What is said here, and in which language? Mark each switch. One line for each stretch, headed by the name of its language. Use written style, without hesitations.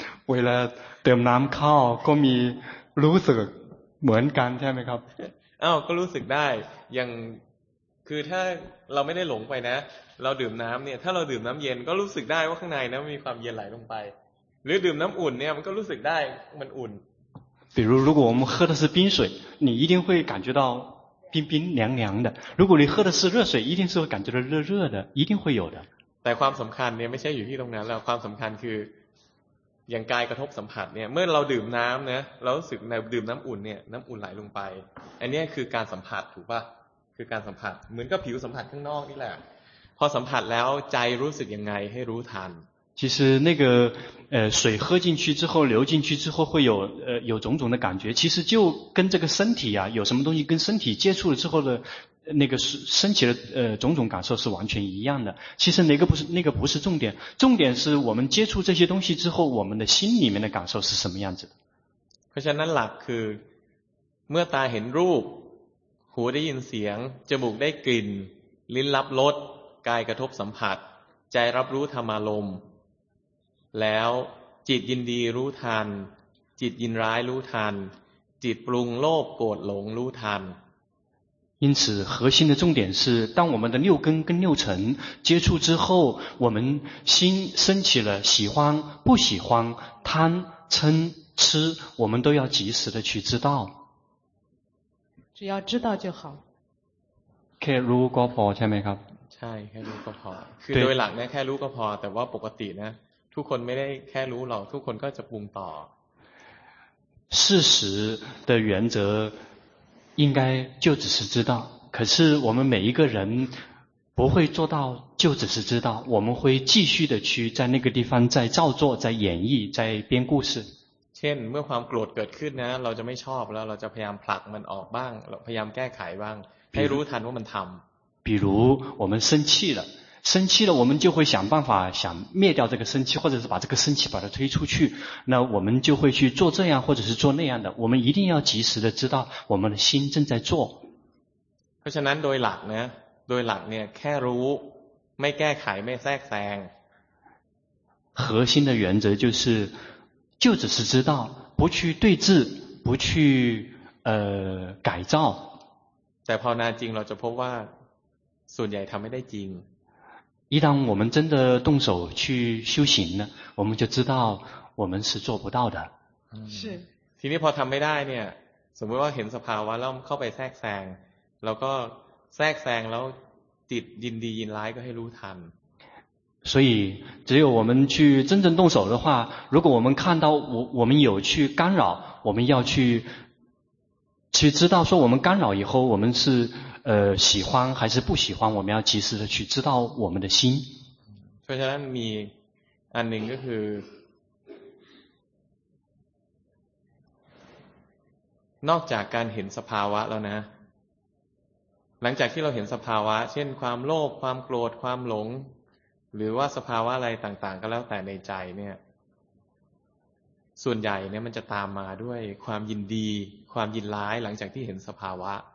Thai: เวลาเติมน้ำข้าวก็มีรู้สึกเหมือนกันใช่ไหมครับ อ้าวก็รู้สึกได้อย่างคือถ้าเราไม่ได้หลงไปนะเราดื่มน้ำเนี่ยถ้าเราดื่มน้ำเย็นก็รู้สึกได้ว่าข้างในนะมีความเย็นไหลลงไปหรือดื่มน้ำอุ่นเนี่ยมันก็รู้สึกได้มันอุ่น
Chinese: 比如如果我们喝的是冰水你一定会感觉到冰冰凉凉的如果你喝的是热水一定是会感觉到热热的一定会有的
Thai: แต่ความสำคัญเนี่ยไม่ใช่อยู่ที่ตรงนั้นแล้วความสำคัญคืออย่างกายกระทบสัมผัสเนี่ยเมื่อเราดื่มน้ำนะเรารู้สึกในดื่มน้ำอุ่นเนี่ยน้ำอุ่นไหลลงไปอันนี้คือการสัมผัสถูกป่ะคือการสัมผัสเหมือนกับผิวสัมผัสข้างนอกนี่แหละพอสัมผัสแล้วใจรู้สึกยังไงให้รู้ทัน
Chinese: 其实那个水喝进去之后流进去之后会有有种种的感觉其实就跟这个身体啊有什么东西跟身体接触了之后的那个身体的种种感受是完全一样的其实那个不是重点重点是我们接触这些东西之后我们的心里面的感受是什么样子的可是那
Thai: หลักคือเมื่อตาเห็นรูปหูได้ยินเสียงจมูกได้กลิ่นลิ้นรับรสกายกระทบสัมผัสใจรับรู้ธรรมอารมณ์แล้วจิตยินดีรู้ทันจิตยินร้ายรู้ทันจิตปรุงโลภโกรธหลงรู้ทัน
Chinese: 因此核心的重点是当我们的六根跟六尘接触之后我们心升起了喜欢不喜欢贪嗔痴我们都要及时的去知道只要知道就好
Thai: แค่รู้ก็พอใช่ไหมครับ ใช่แค่รู้ก็พอคือโดยหลักนะแค่รู้ก็พอแต่ว่าปกตินะทุกคนไม่ได้แค่รู้หรอกทุกคนก็จะปรุงต่อ
Chinese: 事实的原则应该就只是知道可是我们每一个人不会做到就只是知道我们会继续的去在那个地方再造作再演绎再编故事
Thai: เช่นเมื่อความโกรธเกิดขึ้นนะเราจะไม่ชอบแล้วเราจะพยายามผลักมันออกบ้างพยายามแก้ไขบ้างให้รู้ทันว่ามันทำ
Chinese: 比如我们生气了生气了我们就会想办法想灭掉这个生气或者是把这个生气把它推出去那我们就会去做这样或者是做那样的我们一定要及时的知道我们的心正在做
Thai: เพราะฉะนั้นโดยหลักเนี่ยแค่รู้ไม่แก้ไขไม่แทรกแซง
Chinese: 核心的原则就是就只是知道不去对峙不去改造
Thai: แต่พอนานจริงเราจะพบว่าส่วนใหญ่ทำไม่ได้จริง
Chinese: 一旦我们真的动手去修行呢我们就知道我们是做不到的是
Thai: ทีนี้พอทำไม่ได้เนี่ยสมมติว่าเห็นสภาวะแล้วเข้าไปแทรกแซงแล้วก็แทรกแซงแล้วติดยินดียินร้ายก็ให้รู้ทัน
Chinese: 所以只有我们去真正动手的话如果我们看到我们有去干扰我们要去知道说我们干扰以后我们是喜欢还是不喜欢我们要及时的去知道我们的心所以说你安宁就是
Thai: nóc จากการเห็นสภาวะแล้วนะหลังจากที่เราเห็นสภาวะเช่นความโลภความโกรธความหลงหรือว่าสภาวะอะไรต่างๆก็แล้วแต่ในใจเนี่ยส่วนใหญ่เนี่ยมันจะตามมาด้วยความยินดีความยินร้ายหลังจากที่เห็นสภาวะ